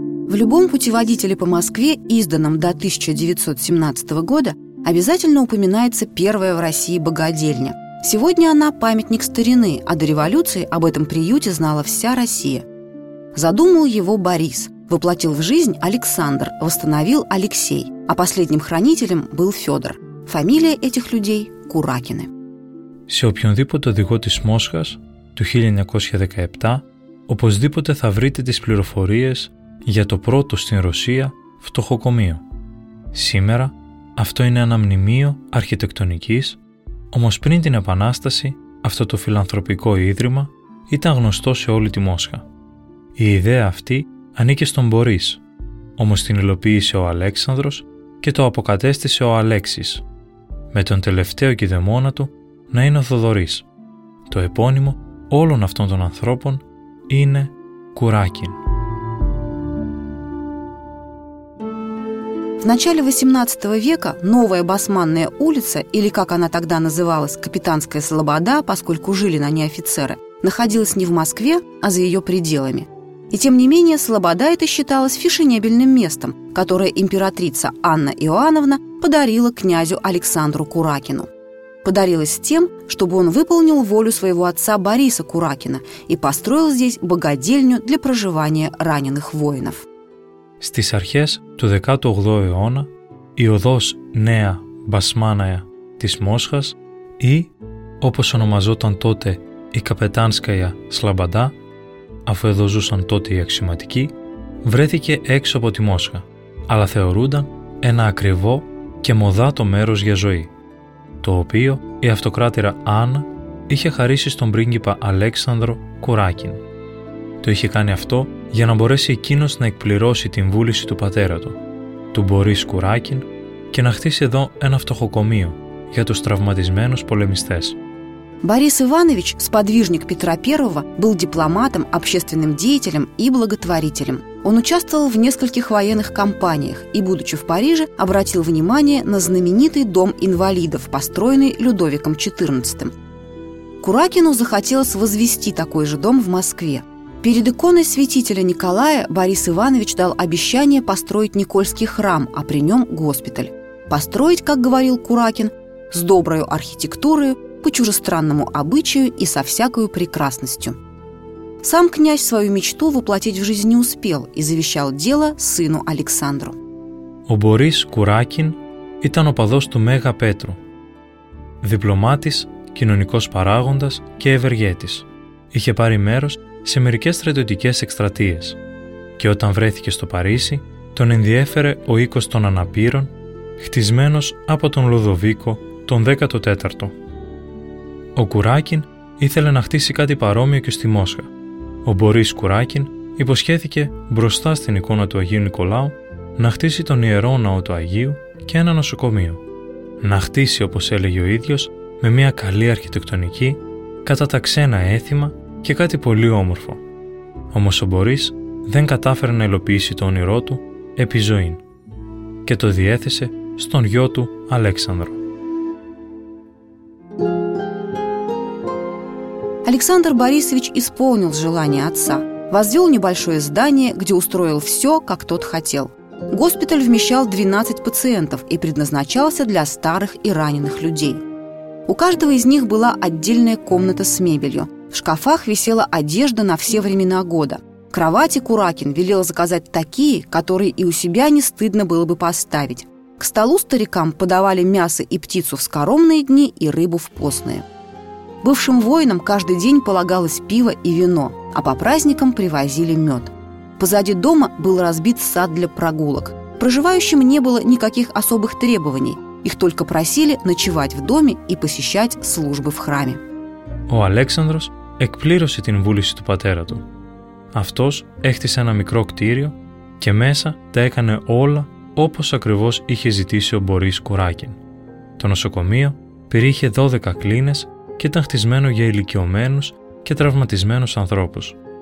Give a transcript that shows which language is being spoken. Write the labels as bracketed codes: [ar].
[ru] В любом путеводителе по Москве, изданном до 1917 года, обязательно упоминается первая в России богадельня. Сегодня она – памятник старины, а до революции об этом приюте знала вся Россия. Задумал его Борис, воплотил в жизнь Александр, восстановил Алексей, а последним хранителем был Федор. Фамилия этих людей – Куракины. [el] Σε οποιονδήποτε οδηγό της Μόσχας του 1917 οπωσδήποτε θα βρείτε τις πληροφορίες για το πρώτο στην Ρωσία φτωχοκομείο. Σήμερα αυτό είναι ένα μνημείο αρχιτεκτονικής. Όμως πριν την Επανάσταση, αυτό το φιλανθρωπικό ίδρυμα ήταν γνωστό σε όλη τη Μόσχα. Η ιδέα αυτή ανήκε στον Μπορίς, όμως την υλοποίησε ο Αλέξανδρος και το αποκατέστησε ο Αλέξης, με τον τελευταίο κηδεμόνα του να είναι ο Θοδωρής. Το επώνυμο όλων αυτών των ανθρώπων είναι Κουράκιν. [ru] В начале 18 века Новая Басманная улица, или как она тогда называлась, Капитанская Слобода, поскольку жили на ней офицеры, находилась не в Москве, а за ее пределами. И тем не менее Слобода эта считалась фешенебельным местом, которое императрица Анна Иоанновна подарила князю Александру Куракину. Подарилась тем, чтобы он выполнил волю своего отца Бориса Куракина и построил здесь богадельню для проживания раненых воинов. [el] Στις αρχές του 18ου αιώνα, η οδός Νέα Μπασμάναια της Μόσχας ή, όπως ονομαζόταν τότε, η Καπετάνσκαια Σλαμπαντά, αφού εδώ ζούσαν τότε οι αξιωματικοί, βρέθηκε έξω από τη Μόσχα, αλλά θεωρούνταν ένα ακριβό και μοδάτο μέρος για ζωή, το οποίο η αυτοκράτηρα Άννα είχε χαρίσει στον πρίγκιπα Αλέξανδρο Κουράκιν. Το είχε κάνει αυτό για να μπορέσει εκείνος να εκπληρώσει την βούληση του πατέρα του, του Μπορίς Κουράκιν, και να χτίσει εδώ ένα φτωχοκομείο για τους τραυματισμένους πολεμιστές. [ru] Борис Иванович, сподвижник Петра I, был дипломатом, общественным деятелем и благотворителем. Он участвовал в нескольких военных кампаниях и, будучи в Париже, обратил внимание на знаменитый дом инвалидов, построенный Людовиком XIV. Куракину захотелось возвести такой же дом в Москве. Перед иконой святителя Николая Борис Иванович дал обещание построить Никольский храм, а при нем госпиталь. Построить, как говорил Куракин, с доброю архитектурою, по чужестранному обычаю и со всякою прекрасностью. Сам князь свою мечту воплотить в жизнь не успел и завещал дело сыну Александру. [el] Ο Μπορίς Κουράκιν ήταν ο παδός του Μέγα Πέτρου. Διπλωμάτης, κοινωνικός παράγοντας και ευεργέτης. Είχε πάρει μέρος σε μερικές στρατιωτικές εκστρατείες. Και όταν βρέθηκε στο Παρίσι, τον ενδιέφερε ο οίκος των Αναπήρων, χτισμένος από τον Λουδοβίκο τον 14ο. Ο Κουράκιν ήθελε να χτίσει κάτι παρόμοιο και στη Μόσχα. Ο Μπορίς Κουράκιν υποσχέθηκε μπροστά στην εικόνα του Αγίου Νικολάου να χτίσει τον Ιερό Ναό του Αγίου και ένα νοσοκομείο. Να χτίσει, όπως έλεγε ο ίδιος, με μια καλή αρχιτεκτονική, κατά τα ξένα έθιμα και κάτι πολύ όμορφο. Όμως ο Μπορίς δεν κατάφερε να υλοποιήσει το όνειρό του επί ζωήν και το διέθεσε στον γιο του Αλέξανδρο. [ru] Александр Борисович исполнил желание отца, возвел небольшое здание, где устроил все, как тот хотел. Госпиталь вмещал 12 пациентов и предназначался для старых и раненых людей. У каждого из них была отдельная комната с мебелью. В шкафах висела одежда на все времена года. Кровати Куракин велел заказать такие, которые и у себя не стыдно было бы поставить. К столу старикам подавали мясо и птицу в скоромные дни и рыбу в постные. Бывшим воинам каждый день полагалось пиво и вино, а по праздникам привозили мед. Позади дома был разбит сад для прогулок. Проживающим не было никаких особых требований. Их только просили ночевать в доме и посещать службы в храме. [el] Ο Αλέξανδρος εκπλήρωσε την βούληση του πατέρα του. Αυτός έχτισε ένα μικρό κτίριο και μέσα τα έκανε όλα όπως ακριβώς είχε ζητήσει ο Μπορίς Κουράκιν. Το νοσοκομείο περιείχε 12 κλίνες και ήταν χτισμένο για ηλικιωμένους και τραυματισμένους ανθρώπους.